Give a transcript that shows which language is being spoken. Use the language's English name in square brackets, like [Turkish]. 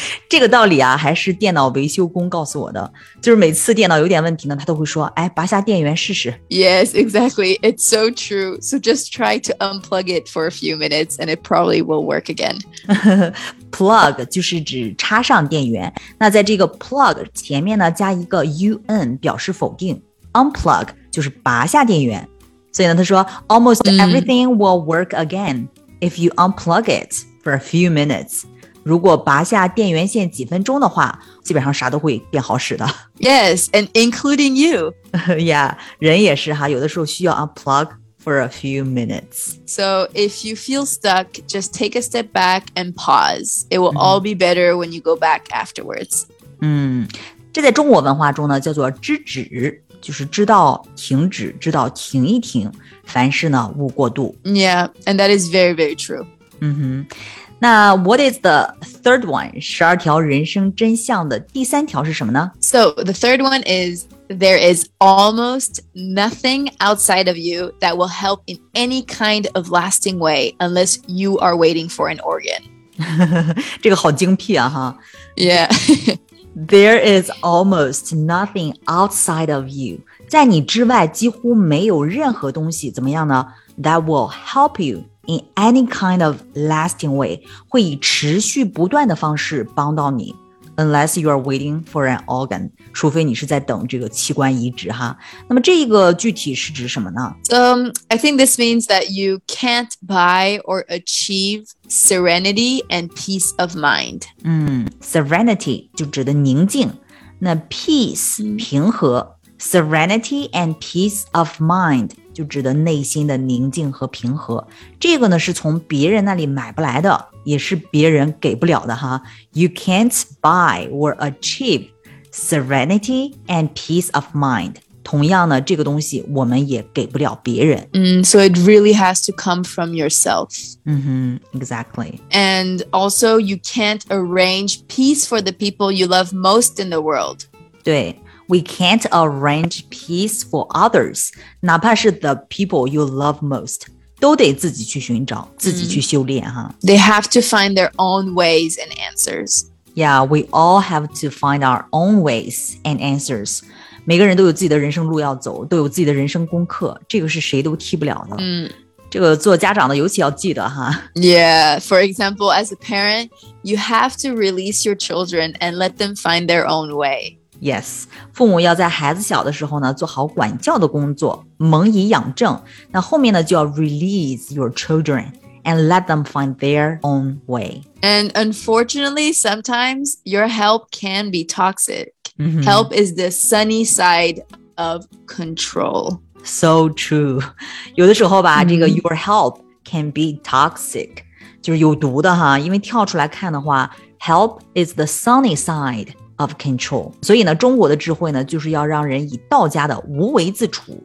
[Chinese] 这个道理啊，还是电脑维修工告诉我的。就是每次电脑有点问题呢，他都会说，哎，拔下电源试试。 [English] Yes, exactly. It's so true. So just try to unplug it for a few minutes and it probably will work again. [Chinese] Plug 就是指插上电源。那在这个 plug 前面呢，加一个 un 表示否定。 Unplug 就是拔下电源。所以呢，他说 [English] ，almost everything will work again if you unplug it for a few minutes. [Chinese] 如果拔下电源线几分钟的话，基本上啥都会变好使的。 [English] Yes, and including you. [Chinese] Yeah, 人也是哈，有的时候需要 [English] unplug for a few minutes. So if you feel stuck, just take a step back and pause. It will all be better when you go back afterwards. [Chinese] 这在中国文化中呢，叫做知止。就是知道停止，知道停一停，凡事呢勿过度。 [English] Yeah, and that is very, very true. 那 what is the third one? [Chinese] 十二条人生真相的第三条是什么呢 [English] ？So the third one is there is almost nothing outside of you that will help in any kind of lasting way unless you are waiting for an organ. [Chinese] 这个好精辟啊，哈。 [English] Yeah. There is almost nothing outside of you. [Chinese] 在你之外几乎没有任何东西怎么样呢 [English] That will help you in any kind of lasting way. [Chinese] 会以持续不断的方式帮到你 [English] Unless you are waiting for an organ. [Chinese] 除非你是在等这个器官移植哈。那么这个具体是指什么呢 [English] I think this means that you can't buy or achieve serenity and peace of mind. [Chinese] Serenity 就指的宁静，那 peace 平和 ， [English] serenity and peace of mind [Chinese] 就指的内心的宁静和平和。这个呢是从别人那里买不来的，也是别人给不了的哈。 [English] You can't buy or achieve serenity and peace of mind. [Chinese] 同样呢，这个东西我们也给不了别人。 [English] So it really has to come from yourself. Mm-hmm, exactly. And also, you can't arrange peace for the people you love most in the world. [Chinese] 对。 [English] We can't arrange peace for others, [Chinese] 哪怕是 [English] the people you love most, [Chinese] 都得自己去寻找,自己去修炼哈。 [English] They have to find their own ways and answers. Yeah, we all have to find our own ways and answers. [Chinese] 每个人都有自己的人生路要走,都有自己的人生功课,这个是谁都替不了的。这个做家长的尤其要记得哈。 [English] Yeah, for example, as a parent, you have to release your children and let them find their own way. [Chinese] Yes, 父母要在孩子小的时候呢做好管教的工作萌以养正那后面呢就要 [English] release your children and let them find their own way. And unfortunately, sometimes your help can be toxic.、Mm-hmm. Help is the sunny side of control. So true. [Chinese] 有的时候吧、 [English] mm-hmm. 这个 your help can be toxic. [Chinese] 就是有毒的哈因为跳出来看的话 [English] help is the sunny side. Of control. [Chinese] 所以呢中国的智慧呢就是要让人以道家的无为自处。